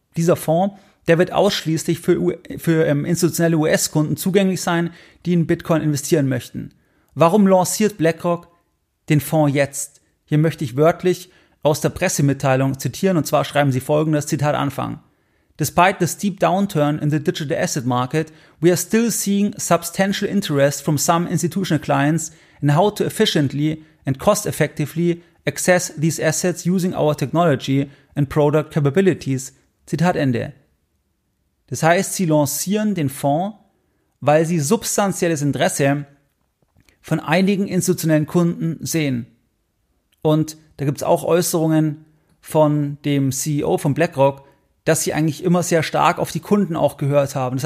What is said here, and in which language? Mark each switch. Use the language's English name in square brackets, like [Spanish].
[German] Dieser Fonds, der wird ausschließlich für institutionelle US-Kunden zugänglich sein, die in Bitcoin investieren möchten. Warum lanciert BlackRock den Fonds jetzt? Hier möchte ich wörtlich aus der Pressemitteilung zitieren und zwar schreiben sie folgendes, Zitat Anfang. [English] Despite the steep downturn in the digital asset market, we are still seeing substantial interest from some institutional clients in how to efficiently and cost-effectively access these assets using our technology and product capabilities. [German] Zitat Ende. Das heißt, sie lancieren den Fonds, weil sie substanzielles Interesse von einigen institutionellen Kunden sehen. Und da gibt es auch Äußerungen von dem CEO von BlackRock, dass sie eigentlich immer sehr stark auf die Kunden auch gehört haben.